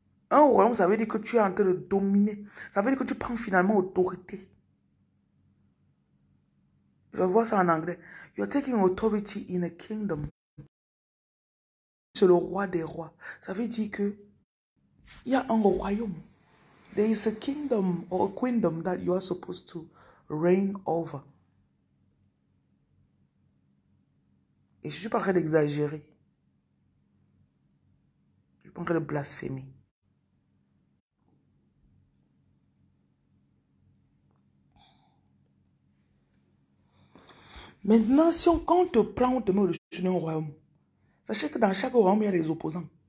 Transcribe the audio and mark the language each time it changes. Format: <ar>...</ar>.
<fr>Un royaume, ça veut dire que tu es en train de dominer. Ça veut dire que tu prends finalement autorité. Je vois ça en anglais.</fr> <en>You're taking authority in a kingdom.</en> <fr>C'est le roi des rois. Ça veut dire que il y a un royaume.</fr> <en>There is a kingdom or a queendom that you are supposed to reign over.</en> <fr>Et je ne suis pas en train d'exagérer. Je suis pas en train de blasphémer. Maintenant, si on compte prendre, on te met au-dessus d'un royaume. Sachez que dans chaque royaume, il y a les opposants.</fr>